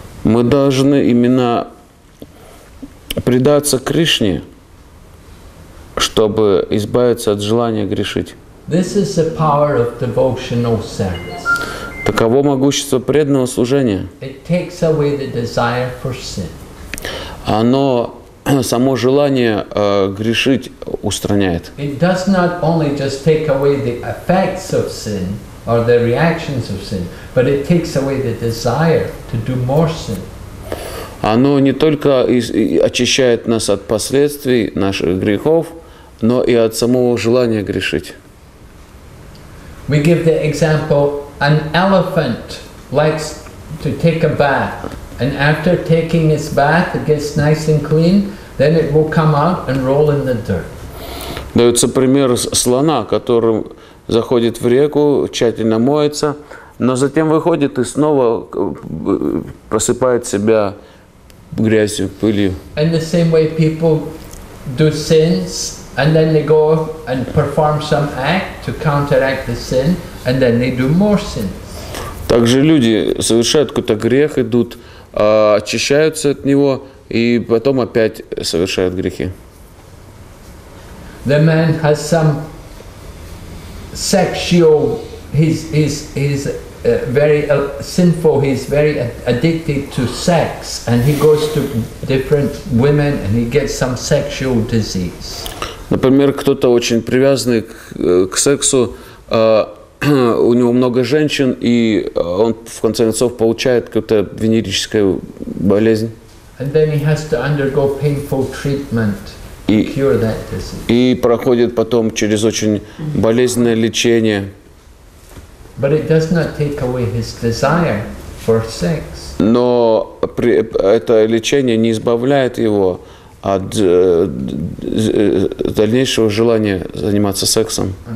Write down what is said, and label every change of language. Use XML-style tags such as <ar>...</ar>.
<ru>Мы должны именно предаться Кришне, чтобы избавиться от желания грешить.</ru> <en>This is the power of devotional service.</en> <ru>Таково могущество преданного служения.</ru> <en>It takes away the desire for sin.</en> <ru>Оно само желание грешить устраняет.</ru> <en>It does not only just take away the effects of sin or the reactions of sin, but it takes away the desire to do more sin.</en> <ru>Оно не только очищает нас от последствий наших грехов, но и от самого желания грешить.</ru> <en>We give the example, an elephant likes to take a bath. And after taking its bath, it gets nice and clean, then it will come out and roll in the dirt.</en> <ru>Дается пример слона, который заходит в реку, тщательно моется, но затем выходит и снова посыпает себя грязью, пылью.</ru> <en>In the same way people do sins, and then they go and perform some act to counteract the sin, and then they do more sins.</en> <ru>Также люди совершают какой-то грех, идут, очищаются от него и потом опять совершают грехи.</ru> <en>The man has some sexual, he's very sinful, he's very addicted to sex, and he goes to different women and he gets some sexual disease.</en> <ru>Например, кто-то очень привязанный к сексу, у него много женщин, и он в конце концов получает какую-то венерическую болезнь.</ru> <en>And then he has to undergo painful treatment to cure that disease.</en> <ru>И проходит потом через очень болезненное лечение.</ru> <en>But it does not take away his desire</en> <ru>Но это лечение не избавляет его от дальнейшего желания заниматься сексом.</ru>